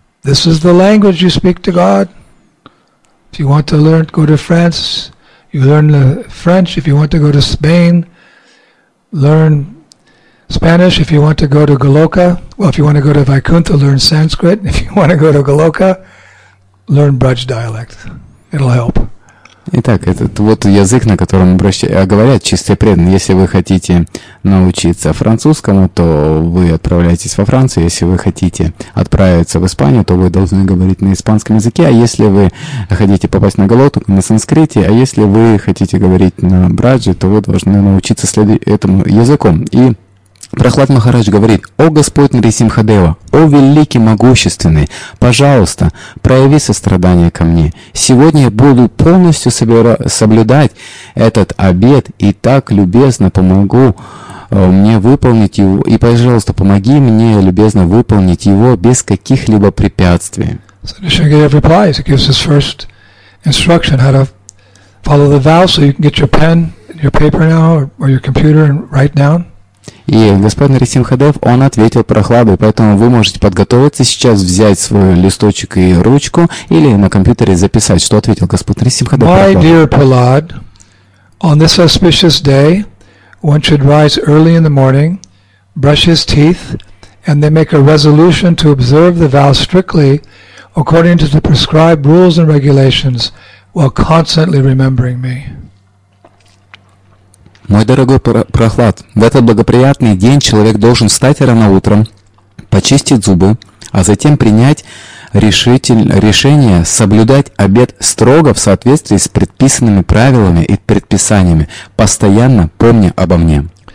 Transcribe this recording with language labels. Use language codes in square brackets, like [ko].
[en] This is the language you speak to God. If you want to learn, go to France. You learn the French. If you want to go to Spain, learn Spanish. If you want to go to Goloka, well, if you want to go to Vaikuntha, learn Sanskrit. If you want to go to Goloka, learn Braj dialect. It'll help. [ru] Итак, этот вот язык, на котором говорят чистые преданные. Если вы хотите научиться французскому, то вы отправляетесь во Францию. Если вы хотите отправиться в Испанию, то вы должны говорить на испанском языке. А если вы хотите попасть на Голоту, то на санскрите. А если вы хотите говорить на Браджи, то вы должны научиться этому языку. И Прохлад Махарадж говорит: «О Господь Нарисимхадева, о Великий Могущественный, пожалуйста, прояви сострадание ко мне. Сегодня я буду полностью соблюдать этот обет и так любезно помогу мне выполнить его. И, пожалуйста, помоги мне любезно выполнить его без каких-либо препятствий». [en] So Нарисимхадев replies, he gives his first instruction how to follow the vow, so you can get your pen, your paper now, or your computer and write down. [ru] И господин Нарисимхадев, он ответил Прохладу, поэтому вы можете подготовиться сейчас, взять свой листочек и ручку, или на компьютере записать, что ответил господин Нарисимхадев. [en] My dear Prahlad, on this auspicious day, one should rise early in the morning, brush his teeth, and then make a resolution to observe the vow strictly, according to the prescribed rules and regulations, while constantly remembering me. [ru] Мой дорогой Прохлад, в этот благоприятный день человек должен встать рано утром, почистить зубы, а затем принять решение соблюдать обет строго в соответствии с предписанными правилами и предписаниями, постоянно помня обо мне.